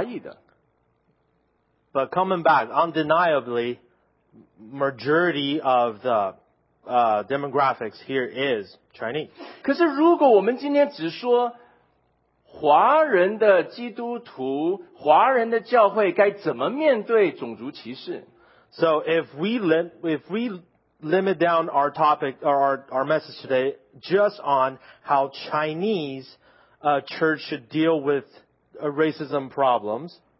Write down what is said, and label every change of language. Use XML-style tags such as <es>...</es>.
<zh>但是不可否认的，教会绝大部分的弟兄姊妹是华裔的。</zh> <en>But coming back, undeniably, majority of the demographics here is Chinese.</en> <zh>可是如果我们今天只说华人的基督徒，华人的教会该怎么面对种族歧视？</zh> <en>So if we limit down our topic or our message today just on how Chinese church should deal with racism problems,</en>